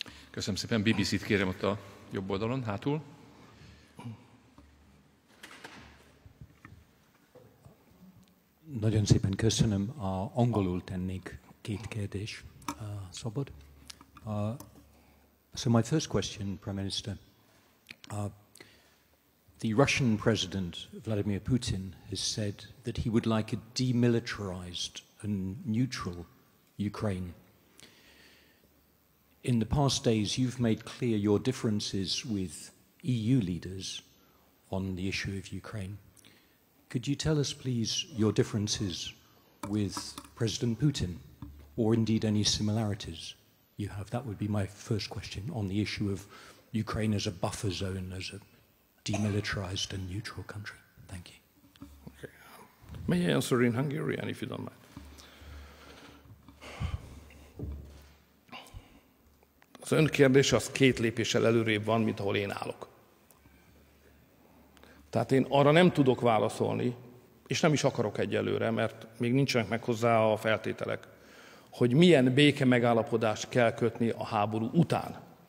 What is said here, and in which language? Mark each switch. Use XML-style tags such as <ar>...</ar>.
<hu>Köszönöm szépen. BBC-t kérem ott a jobb oldalon, hátul. Nagyon szépen köszönöm. Angolul tennék két kérdés, szabad.</hu> <en>So my first question, Prime Minister. The Russian President, Vladimir Putin, has said that he would like a demilitarized and neutral Ukraine. In the past days, you've made clear your differences with EU leaders on the issue of Ukraine. Could you tell us, please, your differences with President Putin, or indeed any similarities you have? That would be my first question on the issue of Ukraine as a buffer zone, as a demilitarized and neutral country. Thank you. Okay. May I answer in Hungarian, if you don't mind?</en> <hu>Az ön kérdése az két lépéssel előrébb van, mint ahol én állok. Tehát én arra nem tudok válaszolni, és nem is akarok egyelőre, mert még nincsenek meg hozzá a feltételek, hogy milyen béke megállapodást kell kötni a háború után.</hu>